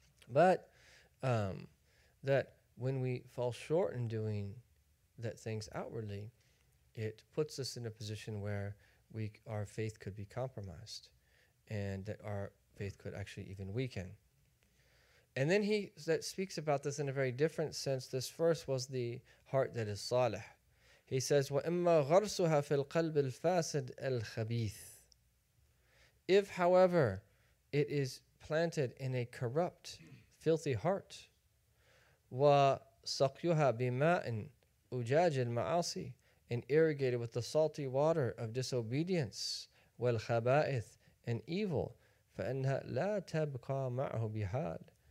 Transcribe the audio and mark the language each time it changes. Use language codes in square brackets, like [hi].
[en] But that when we fall short in doing that things outwardly, it puts us in a position where our faith could be compromised and that our faith could actually even weaken. And then he speaks about this in a very different sense. This first was the heart that is salih. He says, [ar] وَإِمَّا غَرْسُهَا فِي الْقَلْبِ الْفَاسِدِ الْخَبِيثِ. [en] If, however, it is planted in a corrupt, filthy heart, [ar] وَسَقْيُهَا بِمَاءٍ أُجَاجِ الْمَعَاصِي, [en] and irrigated with the salty water of disobedience, [ar] وَالْخَبَائِثِ, [en] and evil, [ar] فَإِنَّهَا لَا تَبْقَى مَعْهُ بِحَالٍ.